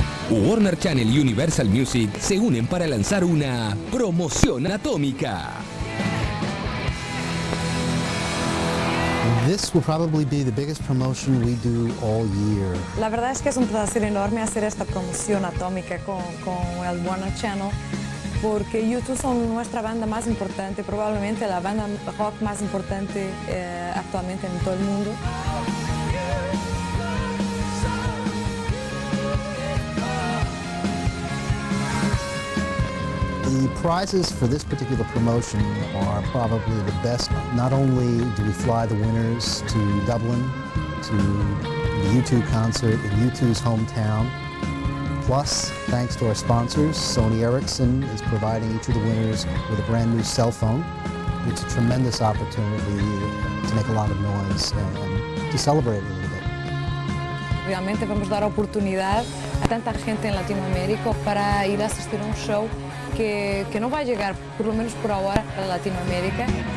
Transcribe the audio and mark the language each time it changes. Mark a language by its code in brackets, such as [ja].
[es] Warner Channel y Universal Music se unen para lanzar una promoción atómica. [en] This will probably be the biggest promotion we do all year. [es] La verdad es que es un placer enorme hacer esta promoción atómica con el Warner Channel, porque YouTube son nuestra banda más importante, probablemente la banda rock más importante actualmente en todo el mundo. [en] The prizes for this particular promotion are probably the best. Not only do we fly the winners to Dublin to the U2 concert in U2's hometown, plus, thanks to our sponsors, Sony Ericsson is providing each of the winners with a brand new cell phone. It's a tremendous opportunity to make a lot of noise and to celebrate a little bit. [es] Realmente vamos dar oportunidad a tanta gente en Latinoamérica para ir a asistir a un show que no va a llegar, por lo menos por ahora, a Latinoamérica.